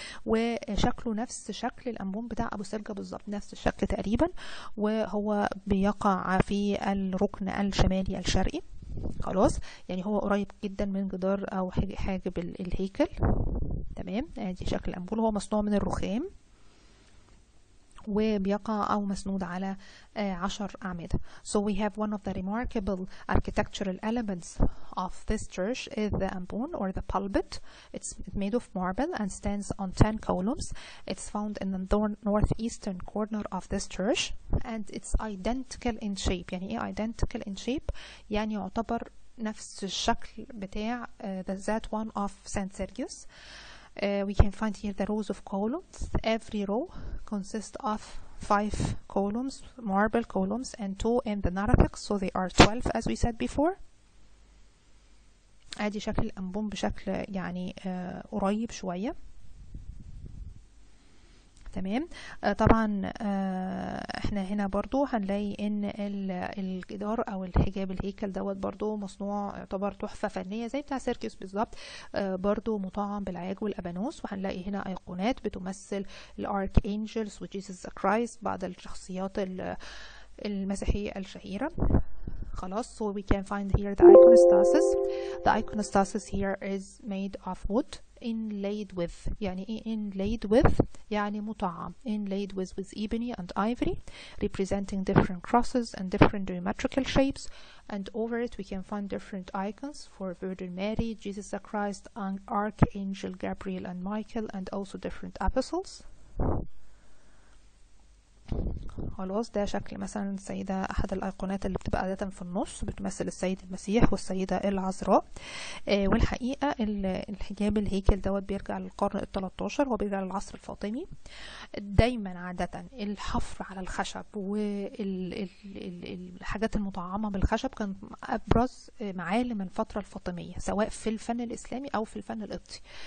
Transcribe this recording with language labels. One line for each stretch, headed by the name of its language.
Arabic: وشكله نفس شكل الأنبون بتاع أبو سرجة بالظبط، نفس الشكل تقريبا، وهو بيقع في الركن الشمالي الشرقي. خلاص يعني هو قريب جدا من جدار او حاجب الهيكل. تمام. دي شكل الأمبول، هو مصنوع من الرخام وبيقع أو مسنود على 10 أعمدة.
English: So we have one of the remarkable architectural elements of this church is the ambon or the pulpit. It's made of marble and stands on 10 columns. It's found in the northeastern corner of this church and it's identical in shape.
Arabic: يعني إيه
English: identical in shape؟
Arabic: يعني يعتبر نفس الشكل بتاع
English: that one of St. Sergius. We can find here the rows of columns. Every row consists of 5 columns, marble columns, and 2 in the narthex. So they are 12 as we said before.
Arabic: ادي شكل الأمبون بشكل يعني قريب شوية. تمام. طبعا احنا هنا برضو هنلاقي ان الجدار او الحجاب الهيكل دوت برضو مصنوع، يعتبر تحفة فنية زي بتاع سيركيوس بالظبط، برضو مطعم بالعاج والأبانوس. وهنلاقي هنا ايقونات بتمثل
English: الارك انجلز وجيسوس كرايست،
Arabic: بعض الشخصيات المسيحية الشهيرة. خلاص.
English: So we can find here the iconostasis. The iconostasis here is made of wood inlaid with.
Arabic: يعني
English: inlaid with
Arabic: يعني مطعم.
English: Inlaid with ebony and ivory, representing different crosses and different geometrical shapes. And over it we can find different icons for Virgin Mary, Jesus Christ, Archangel Gabriel and Michael, and also different apostles.
Arabic: خلاص. ده شكل مثلا السيدة، أحد الأيقونات اللي بتبقى عادة في النص بتمثل السيد المسيح والسيدة العذراء. والحقيقة الحجاب الهيكل دوت بيرجع للقرن الـ13 وبيرجع للعصر الفاطمي. دايما عادة الحفر على الخشب والحاجات المطعمة بالخشب كان أبرز معالم الفترة الفاطمية، سواء في الفن الإسلامي أو في الفن القبطي.